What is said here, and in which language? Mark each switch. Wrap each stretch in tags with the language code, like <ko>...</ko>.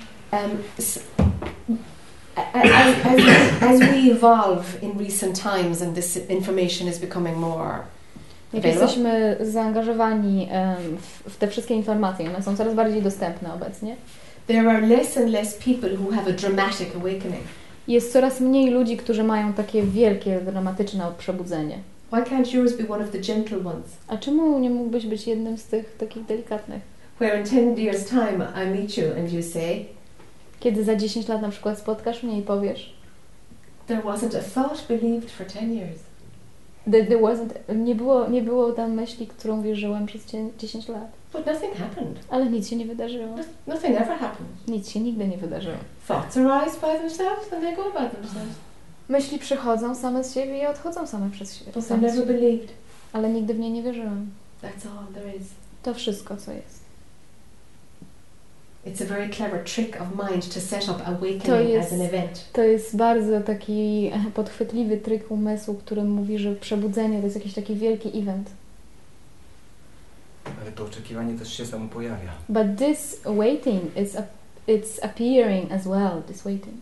<en>As we evolve in recent times and this information is becoming more available.</en> <pl>Jesteśmy zaangażowani w te wszystkie informacje, one są coraz bardziej dostępne obecnie.</pl> <en>There are less and less people who have a dramatic awakening.</en> <pl>Jest coraz mniej ludzi, którzy mają takie wielkie, dramatyczne przebudzenie.</pl> <en>Why can't yours be one of the gentle ones?</en> <pl>A czemu nie mógłbyś być jednym z tych takich delikatnych?</pl> <en>Where in 10 years time I meet you and you say?</en> <pl>Kiedy za 10 lat na przykład spotkasz mnie i powiesz?</pl> <en>There wasn't a thought believed for 10 years. There wasn't</en> <pl>nie było tam myśli, którą wierzyłem przez 10 lat.</pl> <en>But nothing happened.</en> <pl>Ale nic się nie wydarzyło.</pl> <en>Nothing ever happened.</en> <pl>Nic się nigdy nie wydarzyło.</pl> <en>Thoughts arise by themselves and they go by themselves.</en> <pl>Myśli przychodzą same z siebie i odchodzą same przez siebie.</pl> <en>But I never believed.</en> <pl>Ale nigdy w nie nie wierzyłem.</pl> <en>That's all there is.</en> <pl>To wszystko, co jest.</pl> <en>It's a very clever trick of mind to set up awakening as an event.</en> <pl>To jest bardzo taki podchwytliwy trik umysłu, który mówi, że przebudzenie to jest jakiś taki wielki event. Ale to oczekiwanie też się samo pojawia.</pl> <en>But this waiting is it's appearing as well, this waiting.</en>